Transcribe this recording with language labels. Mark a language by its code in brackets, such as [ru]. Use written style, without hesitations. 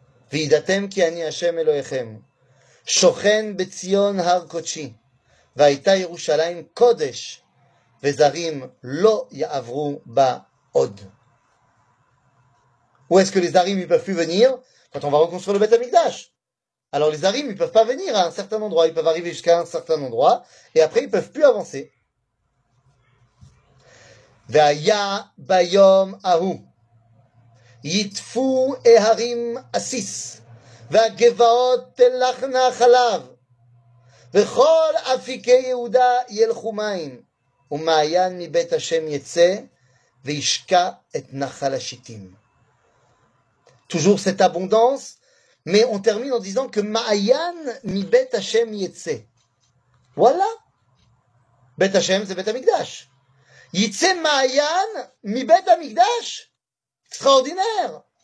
[he] V'idatem ki ani Hashem Elohechem shochen betzion har kodshi והייתה ירושלים קודש, וזרים לא יעברו בה עוד. [fr] Où est-ce que les zarim ne peuvent plus venir? Quand on va reconstruire le Beth Amikdash. Alors les zarim ne peuvent pas venir à un certain endroit, ils peuvent arriver jusqu'à un certain endroit, et après ils ne peuvent plus avancer. [he] והיה ביום ההוא, יתפו הערים עסיס, והגבעות תלכנה חלב, וכל אפיקי יהודה ילכו מים, ומעיין מבית השם יצא, וישקע את נחל השיטים. [fr] Toujours cette abondance, mais on termine en disant que [he] מעיין מבית השם יצא. [fr] Voilà. [he] בית השם זה בית המקדש. יצא מעיין מבית המקדש? [fr] Extraordinaire.